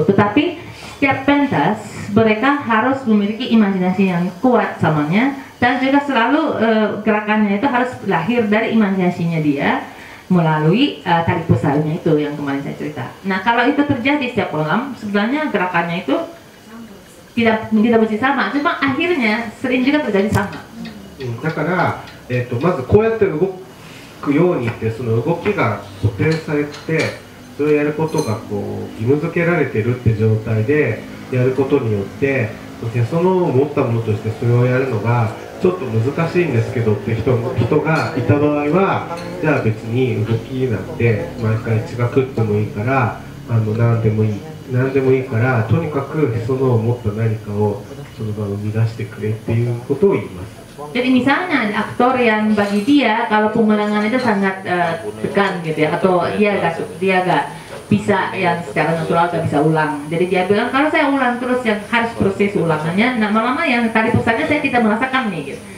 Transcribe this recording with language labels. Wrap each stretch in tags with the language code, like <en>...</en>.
<id>Tetapi setiap pentas mereka harus memiliki imajinasi yang kuat samanya, dan juga selalu gerakannya itu harus lahir dari imajinasinya dia melalui tali pusarnya itu yang kemarin saya cerita. Nah, kalau itu terjadi setiap malam, sebenarnya gerakannya itu tidak mesti sama, cuma akhirnya sering juga terjadi sama.</id> <ja>Karena こうやって動くように、その動きが固定されて、それをやることが義務付けられてるって状態で、やることによって、そのもったものとしてそれをやるのがちょっと難しいんですけどって人が、人がいた場合は、じゃあ別に動きなんて、毎回違くってもいいから、何でもいい、何でもいいから、とにかくそのもっと何かを、その場を生み出してくれっていうことを言います。</ja> <id>Jadi misalnya aktor yang bagi dia kalau pengulangan itu sangat tekan gitu ya, atau dia gak bisa yang secara natural gak bisa ulang. Jadi dia bilang kalau saya ulang terus yang harus proses ulangannya, nah lama-lama yang tali pusarnya saya tidak merasakan nih gitu.</id>